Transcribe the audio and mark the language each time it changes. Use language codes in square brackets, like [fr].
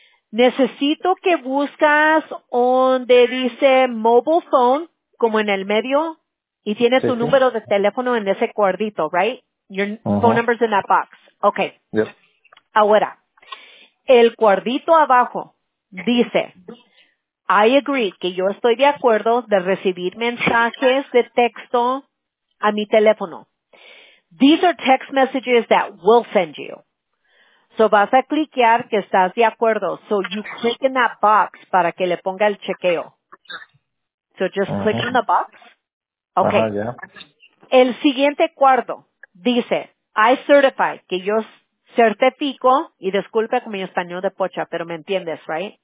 [es] Necesito que buscas donde dice mobile phone, como en el medio, y tiene tu número de teléfono en ese cuadrito, right? [en] Your phone number's in that box. Okay. Yep. [es] Ahora, el cuadrito abajo dice... [en] I agree [es] que yo estoy de acuerdo de recibir mensajes de texto a mi teléfono. [en] These are text messages that will send you. [es] So vas a cliquear que estás de acuerdo. [en] So you click in that box [es] para que le ponga el chequeo. [en] So just click in the box. Okay. [es] El siguiente cuarto dice, [en] I certify [es] que yo certifico, y disculpe con mi español de pocha, pero me entiendes, right?